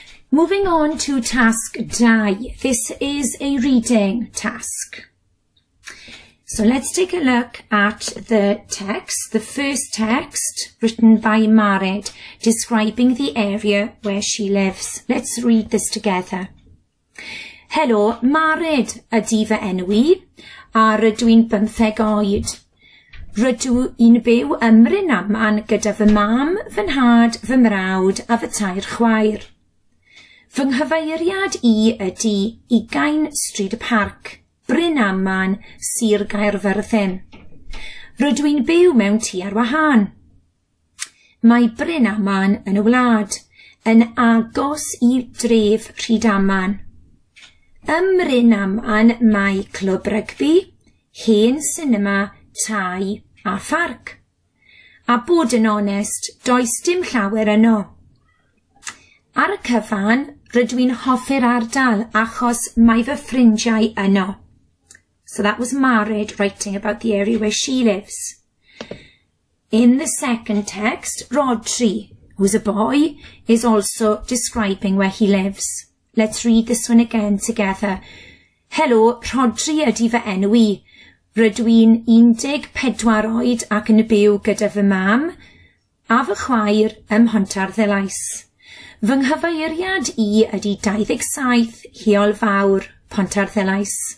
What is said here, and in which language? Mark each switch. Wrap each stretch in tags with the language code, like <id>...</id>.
<en>Moving on to Task 2. This is a reading task. So let's take a look at the text, the first text written by Marit, describing the area where she lives. Let's read this together.</en> <cy>Helo, Marit ydy fy enw i, a rydw i'n 15 oed. Rydw i'n byw ym Mryn Aman gyda fy mam, fy nhad, fy mrawd a fy tair chwaer. Fy nghyfeiriad i ydy Ugain Stryd y Parc. Bryn Aman, Sir Gaerfyrddin. Rydw i'n byw mewn tŷ ar wahân. Mae Bryn Aman yn y wlad, yn agos i dref Rhydaman. Ym Mryn Aman mae clwb rygbi, hen sinema, tai a pharc. A bod yn onest, does dim llawer yno. Ar y cyfan, rydw i'n hoffi'r ardal achos mae fy ffrindiau yno.</cy> <en>So that was Marit writing about the area where she lives. In the second text, Rodri, who's a boy, is also describing where he lives. Let's read this one again together.</en> <cy>Helo, Rodri ydy fy enw i. Rydw i'n 14 oed ac yn byw gyda fy mam a fy chwaer ym Pontarddulais. Fy nghyfeiriad i ydy 27 Hiol Fawr, Pontarddulais.</cy>